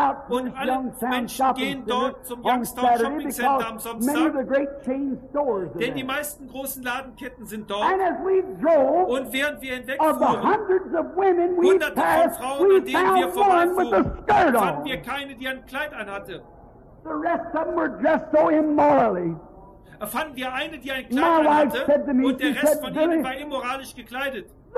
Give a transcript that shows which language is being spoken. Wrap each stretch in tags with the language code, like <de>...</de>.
<de>Und alle Menschen gehen dort zum Youngstown Shopping Center am Samstag. Denn die meisten großen Ladenketten sind dort.</de> <en>And as we drove,</en> <de>und während wir hinwegfuhren, hunderte von Frauen, an denen wir vorbeifuhren, fanden wir keine, die ein Kleid anhatte.</de> <en>The rest of them were dressed so immorally.</en> <de>Fanden wir eine, die ein Kleid hatte, und der Rest von ihnen war immoralisch gekleidet.</de>